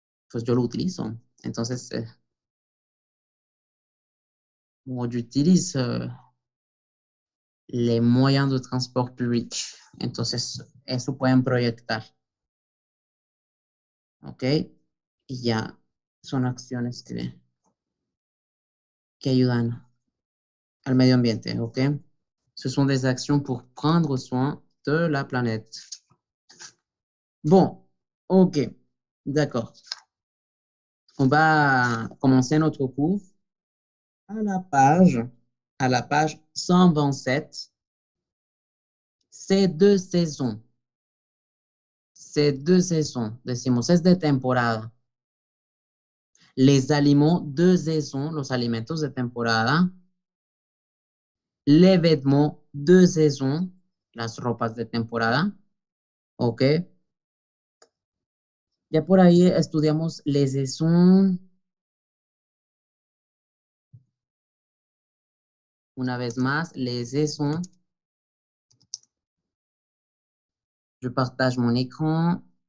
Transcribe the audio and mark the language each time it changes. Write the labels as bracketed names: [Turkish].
[Spanish] Pues yo lo utilizo. Entonces, [French] Moi, j'utilise les moyens de transport public. [Spanish] Entonces, eso pueden proyectar. ¿Ok? Y ya son acciones que ayudan al medio ambiente. ¿Ok? [French] Ce sont des actions pour prendre soin de la planète. Bon. Ok. D'accord. On va commencer notre cours. À la page 127, c'est deux saisons. C'est deux saisons, [Spanish] decimos, es de temporada. [French] Les aliments de saison, [Spanish] los alimentos de temporada. [French] Les vêtements de saison, [Spanish] las ropas de temporada. [French] Ok. [Spanish] Ya por ahí estudiamos les saisons. Una vez más, les saisons. [French] Je partage mon écran.